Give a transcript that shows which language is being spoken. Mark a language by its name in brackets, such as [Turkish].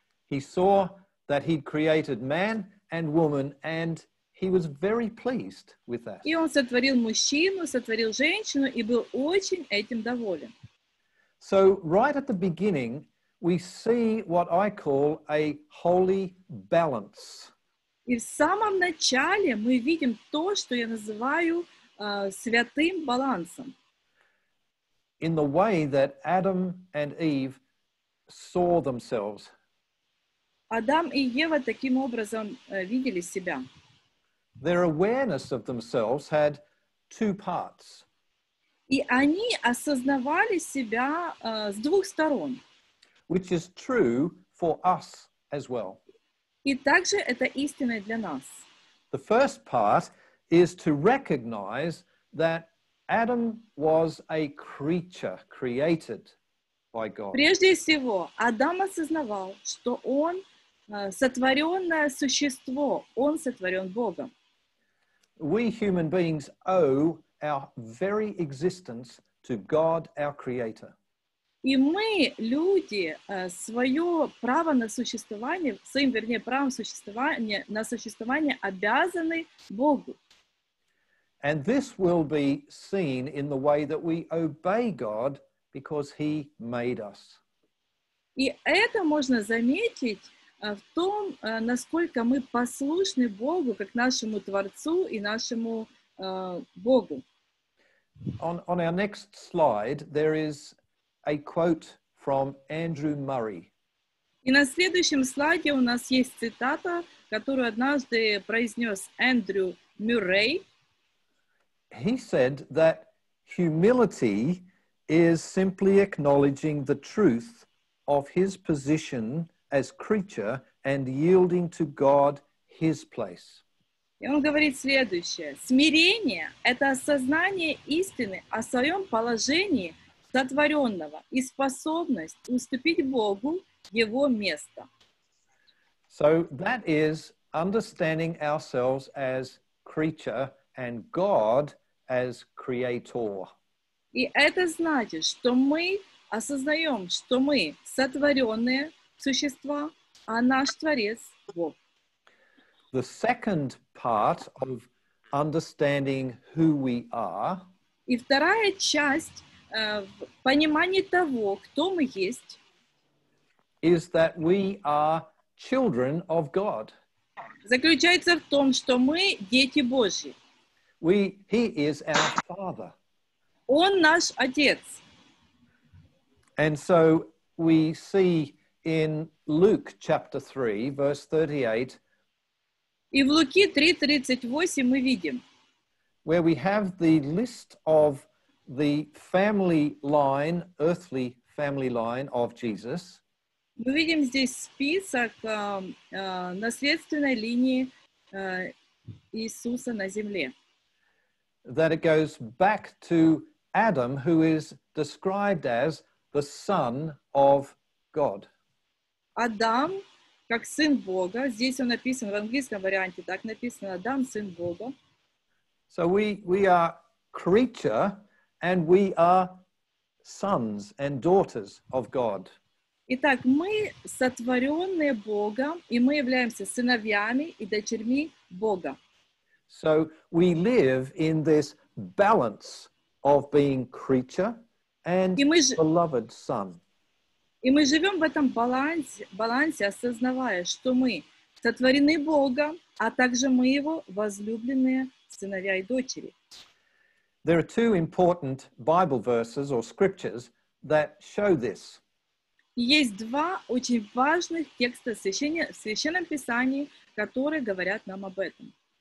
[English] He saw that he'd created man and woman, and he was very pleased with that. [Russian] И он сотворил мужчину, сотворил женщину, и был очень этим доволен. [English] So right at the beginning, we see what I call a holy balance. [Russian] И в самом начале мы видим то, что я называю святым балансом. [English] In the way that Adam and Eve saw themselves. [Russian] Адам и Ева таким образом видели себя. [English] Their awareness of themselves had two parts. [Russian] И они осознавали себя с двух сторон. [English] Which is true for us as well. [Russian] И также это истина для нас. [English] The first part is to recognize that Adam was a creature created by God. [Russian] Прежде всего, Адам осознавал, что он сотворенное существо, он сотворен Богом. [English] We human beings owe our very existence to God, our Creator. [Russian] И мы, люди, свое право на существование, своим, вернее, правом существования, на существование обязаны Богу. [English] And this will be seen in the way that we obey God because He made us. [Russian] И это можно заметить в том, насколько мы послушны Богу, как нашему Творцу и нашему Богу. [English] On our next slide, there is a quote from Andrew Murray. [Russian] И на следующем слайде у нас есть цитата, которую однажды произнес Эндрю Мюррей. [English] He said that humility is simply acknowledging the truth of his position as creature and yielding to God his place. [Russian] И он говорит следующее. Смирение — это осознание истины о своем положении сотворенного и способность уступить Богу его место. [English] So that is understanding ourselves as creature and God as creator. [Russian] И это значит, что мы осознаем, что мы сотворенные существа, а наш Творец — Бог. [English] The second part of understanding who we are. [Russian] И вторая часть в понимании того, кто мы есть. [English] Is that we are children of God. [Russian] Заключается в том, что мы дети Божьи. [English] He is our Father. [Russian] Он наш Отец. [English] And so we see in Luke chapter 3, verse 38. [Russian] И в Луки 3:38 мы видим, [English] where we have the list of the family line, earthly family line of Jesus. [Russian] Мы видим здесь список наследственной линии Иисуса на земле. [English] That it goes back to Adam, who is described as the son of God. [Russian] Адам как сын Бога. Здесь он написан в английском варианте. Так написано: Адам сын Бога. [English] So we are creature and we are sons and daughters of God. [Russian] Итак, мы сотворенные Богом, и мы являемся сыновьями и дочерьми Бога. [English] So we live in this balance of being creature and beloved son. [Russian] И мы живем в этом балансе, осознавая, что мы сотворены Богом, а также мы его возлюбленные сыновья и дочери. [English] There are two important Bible verses or scriptures that show this. [Russian] Есть два очень важных текста в Священном Писании, которые говорят нам об этом.